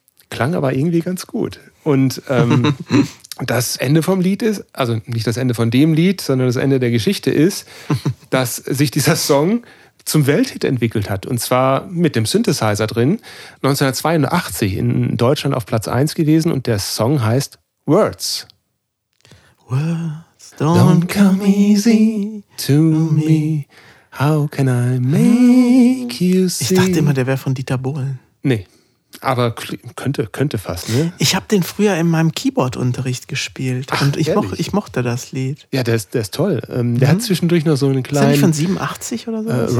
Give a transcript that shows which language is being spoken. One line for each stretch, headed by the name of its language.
German: Klang aber irgendwie ganz gut. Und das Ende vom Lied ist, also nicht das Ende von dem Lied, sondern das Ende der Geschichte ist, dass sich dieser Song zum Welthit entwickelt hat. Und zwar mit dem Synthesizer drin. 1982 in Deutschland auf Platz 1 gewesen, und der Song heißt Words.
English: Words don't come easy to me. How can I make you see?
German: Ich dachte immer, der wäre von Dieter Bohlen. Nee. Aber könnte fast, ne? Ich habe den früher in meinem Keyboard-Unterricht gespielt. Ach, und ich mochte das Lied. Ja, der ist toll. Der hat zwischendurch noch so einen kleinen... Ist der nicht von 87 oder so?